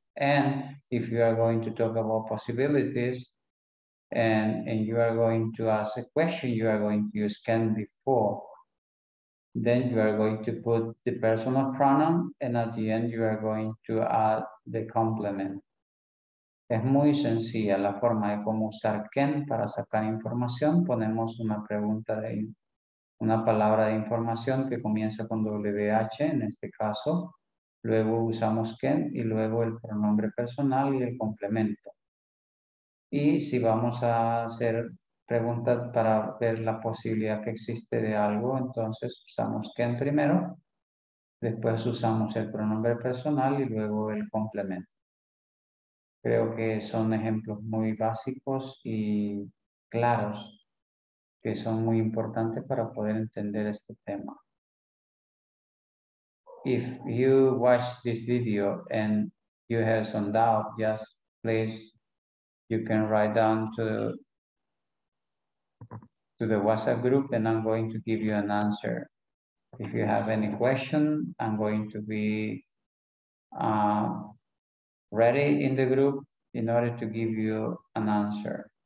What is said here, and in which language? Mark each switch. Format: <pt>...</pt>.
<en>And if you are going to talk about possibilities and you are going to ask a question, you are going to use can before. Then you are going to put the personal pronoun, and at the end you are going to add the complement.</en> <es>Es muy sencilla la forma de cómo usar can para sacar información. Ponemos una pregunta de una palabra de información que comienza con WH en este caso. Luego usamos can y luego el pronombre personal y el complemento. Y si vamos a hacer preguntas para ver la posibilidad que existe de algo, entonces usamos can primero. Después usamos el pronombre personal y luego el complemento. Creo que son ejemplos muy básicos y claros que son muy importantes para poder entender este tema.</es> <en>If you watch this video and you have some doubt, just please, you can write down to the WhatsApp group and I'm going to give you an answer. If you have any question, I'm going to be ready in the group in order to give you an answer.</en>